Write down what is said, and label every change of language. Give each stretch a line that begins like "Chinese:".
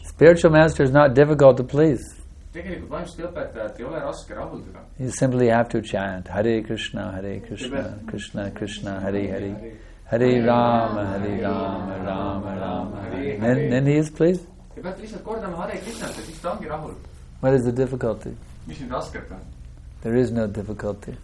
English: Spiritual master is not difficult to please.
Estonian: Tegelikult vaimset õpetajat ei ole raske rahuldada.
English: You simply have to chant,
Sanskrit: Hare Krishna, Hare Krishna, Krishna, Krishna, Hare Hare. Hare Rama, Hare Rama, Rama Rama.
English: Then he is pleased.
Estonian: Te peate lihtsalt kordama Hare Krishna, siis ta ongi rahul.
English: What is the difficulty?
Estonian: Mis nüüd raskelt on?
English: There is no difficulty.